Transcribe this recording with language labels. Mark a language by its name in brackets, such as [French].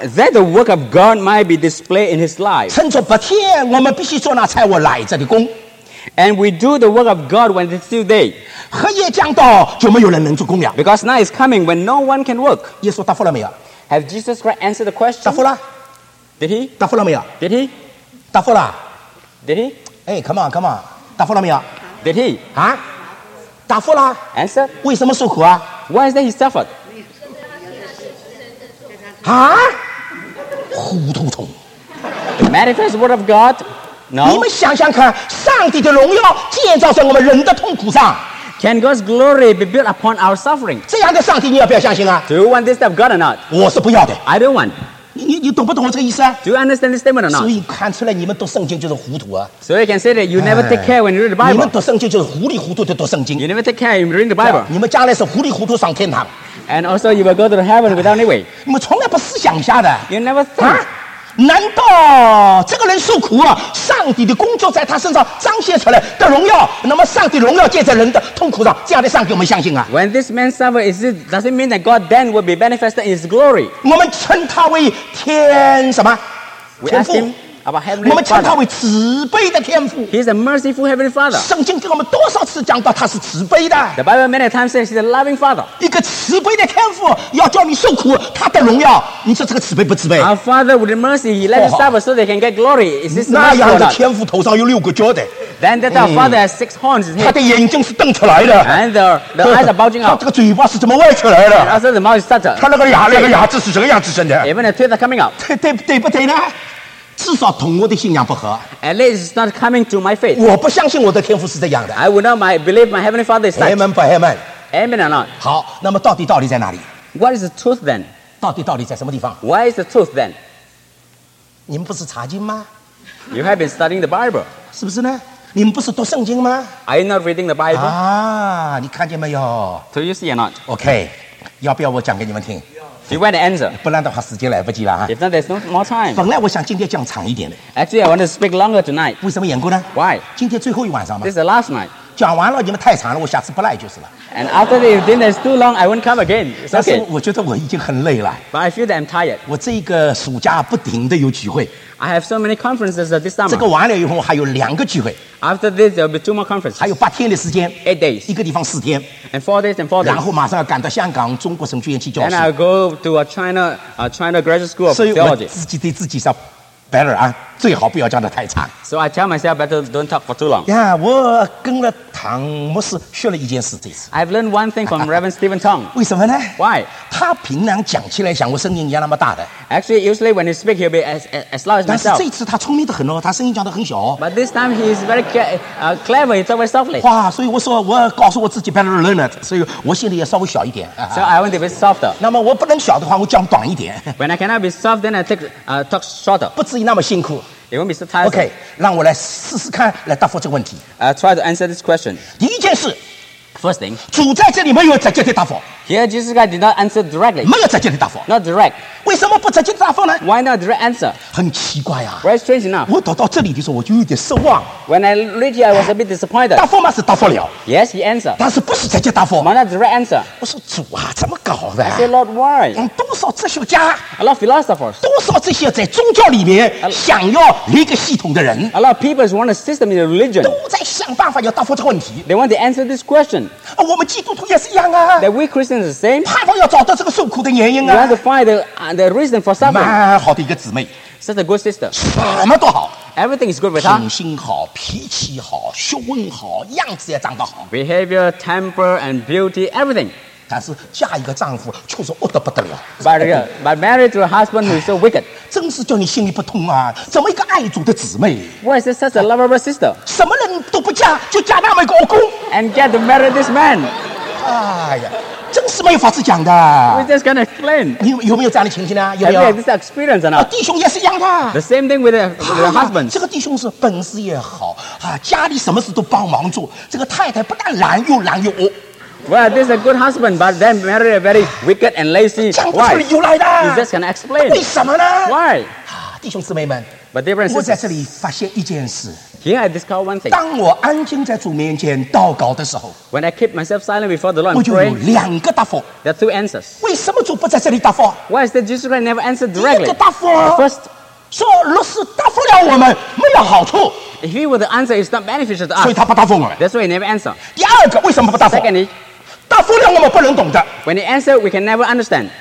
[English] That the work of God might be displayed in his life. [Chinese] 趁着白天，我们必须做那差我来这的工。 [English] And we do the work of God when it's still day. [Chinese] 黑夜将到，就没有人能做工了。 [English] Because night is coming when no one can work. [Chinese] 耶稣答复了没有？ [English] Have Jesus Christ answered the question? [Chinese] 答复了。 [English] Did he? [Chinese] 答复了没有？ [English] Did he? [Chinese] 答复了。 [English] Did he? Hey, come on, come on. [Chinese] 答复了没有？ [English] Did he? [Chinese] 啊？答复了， [English] Answer. [Chinese] 为什么受苦啊？ [English] Why is that he suffered? [Chinese] 啊？糊涂虫。 [English] The manifest word of God? No. [Chinese] 你们想想看， 上帝的荣耀建造在我们人的痛苦上。 [English] Can God's glory be built upon our suffering? [Chinese] 这样的上帝你要不要相信啊？ [English] Do you want this type of God or not? [Chinese] 我是不要的。 [English] I don't want. [Chinese] 你懂不懂我这个意思啊？ [English] Do you understand this statement or not? [Chinese] 所以看出来你们读圣经就是糊涂啊。 [English] So you can say that you never take care when you read the Bible. [Chinese] 你们读圣经就是糊里糊涂的读圣经。 [English] You never take care when you read the Bible. [Chinese] 你们将来是糊里糊涂上天堂。 [English] And also you will go to the heaven without any way. [Chinese] 你们从来不思想下的。 [English] You never think. [Chinese] 难道这个人受苦啊，上帝的工作在他身上彰显出来的荣耀，那么上帝荣耀借在人的痛苦上，这样的上帝我们相信啊？ [English] When this man suffers, does it mean that God then will be manifested in his glory? [Chinese] 我们称他为天什么？天父。 [English] We ask him about heavenly [Chinese] 我们称他为慈悲的天父。 [English] He is a merciful heavenly father. [Chinese] 圣经给我们多少次讲到他是慈悲的？ [English] The Bible many times says he's a loving father. [Chinese] 一个慈悲的天父要叫你受苦，他的荣耀。你说这个慈悲不慈悲？ [English] Our Father with mercy, He let us suffer so they can get glory. Is this merciful? [Chinese] 那样的天父头上有六个角的。 [English] Then that our Father has six horns. [Chinese] 他的眼睛是瞪出来的。 [English] And the eyes are bulging out. [Chinese] 他这个嘴巴是怎么歪出来的？ [English] Also the mouth is stuttered. [Chinese] 他那个牙齿是这个样子生的？ [English] Even the teeth are coming out. [Chinese] 对不对呢？至少同我的信仰不合。 [English] At least it's not coming to my faith. [Chinese] 我不相信我的天父是这样的。 [English] I would not believe my heavenly Father is that. Amen for amen. Amen or not? [Chinese] 好，那么到底道理在哪里？ [English] What is the truth then? [Chinese] 到底在什么地方？ [English] Why is the truth then? [Chinese] 你们不是查经吗？ [English] You have been studying the Bible. [Chinese] 是不是呢？你们不是读圣经吗？ [English] Are you not reading the Bible? [Chinese] 啊，你看见没有？ [English] Do you see or not? [Chinese] Okay, 要不要我讲给你们听？ [English] Do you want the answer? [Chinese] 不然的话时间来不及了。 [English] If not, there's no more time. [Chinese] 本来我想今天讲长一点的。 [English] Actually, I want to speak longer tonight. [Chinese] 为什么缘故呢？ [English] Why? [Chinese] 今天最后一晚上吗？ [English] This is the last night. [Chinese] 讲完了你们太长了，我下次不来就是了。 [English] And after the event is too long, I won't come again. It's okay. [Chinese] 但是我觉得我已经很累了。 [English] But I feel that I'm tired. [Chinese] 我这个暑假不停的有聚会。 [English] I have so many conferences this summer. [Chinese] 这个完了以后还有两个聚会。 [English] After this, there will be two more conferences. [Chinese] 还有八天的时间。 [English] Eight days. [Chinese] 一个地方四天。 [English] And four days and four days. [Chinese] 然后马上要赶到香港中国神学院去教书。 [English] And I'll go to a China Graduate School of Theology. [Chinese] 所以我自己对自己说。 [English] Better [Chinese] 啊，最好不要讲得太长。 [English] So I tell myself better don't talk for too long. [Chinese] Yeah, 我跟了唐牧师学了一件事，这次。 [English] I've learned one thing from Reverend Stephen Tong. [Chinese] 为什么呢 [English] ？Why? [Chinese] 他平常讲起来像我声音一样那么大的。 [English] Actually, usually when he speaks, he'll be as loud as myself. [Chinese] 但是这次他聪明得很哦，他声音讲得很小。 [English] But this time he is very clever. He talks very softly. [Chinese] 哇，所以我说我告诉我自己 [English] better learn it， [Chinese] 所以我心里也稍微小一点。 [English] So I want to be softer. [Chinese] 那么我不能小的话，我讲短一点。 [English] When I cannot be soft, then I talk shorter. [Chinese] 不至于。那么辛苦 [English] It won't be so tiresome. [Chinese] OK 让我来试试看来答复这个问题 [English] Try to answer this question [Chinese] 第一件事 [English] First thing [Chinese] 主在这里没有直接的答复 [English] Here Jesus Christ did not answer directly [Chinese] 没有直接的答复 [English] Not direct [Chinese] 为什么不直接的答复呢 [English] Why not direct answer [Chinese] 很奇怪啊 [English] Very strange enough [Chinese] 我到这里的时候我就有点失望 [English] When I read here I was a bit disappointed [Chinese] 答复嘛是答复了 [English] Yes he answered [Chinese] 但是不是直接答复 [English] Why not direct answer [Chinese] 我说主啊怎么搞的 [English] I say Lord why [Chinese] 多少哲学家 [English] A lot of philosophers [Chinese] 多少这些在宗教里面想要一个系统的人 [English] A lot of people who want a system in a religion [Chinese] 都在想办法要答复这个问题 [English] They want to answer this question [Chinese] 啊，我们基督徒也是一样啊 [English] That we Christians are the same [Chinese] 盼望要找到这个受苦的原因啊 [English] You want to find the reason for suffering [Chinese] 蛮好的一个姊妹 [English] Such a good sister [Chinese] 什么都好 [English] Everything is good with her [Chinese] 品性好脾气好学问好样子也长得好 [English] Behavior, temper and beauty, everything [Chinese] 但是嫁一个丈夫却是恶得不得了 [English] But married to a husband who is so wicked [Chinese] 真是叫你心里不痛啊怎么一个爱主的姊妹 [English] Why is this such a lovable sister [Chinese] 什么人都不嫁就嫁那么一个恶公 [English] And get to marry this man [Chinese] 哎呀真是没有法子讲的 [English] We're just gonna explain [Chinese] 你有没有这样的情形呢有没有 [English] Have you had this experience or not [Chinese] 弟兄也是一样的 [English] The same thing with the husband [Chinese] 这个弟兄是本事也好、啊、家里什么事都帮忙做这个太太不但懒又懒又恶 [English] Well, this is a good husband, but then married a very wicked and lazy wife. You're just going to explain. [Chinese] 为什么呢? [English] Why? [Chinese] 弟兄姊妹们 [English] But dear brothers, [Chinese] 我在这里发现一件事 [English] Here I discovered one thing. [Chinese] 当我安静在主面前祷告的时候 [English] When I keep myself silent before the Lord, [Chinese] 我就有两个答复 [English] There are two answers. [Chinese] 为什么主不在这里答复? [English] Why is that Jesus Christ never answered directly? [Chinese] 第一个答复 [English] First, [Chinese] 说若是答复了我们没有好处 [English] If he were the answer, it's not beneficial to us. [Chinese] 所以他不答复我们 [English] That's why he never answered. [Chinese] 第二个为什么不答复? [English] Secondly, [Chinese] 答复了我们不能懂的 [English] When you answer, we can never understand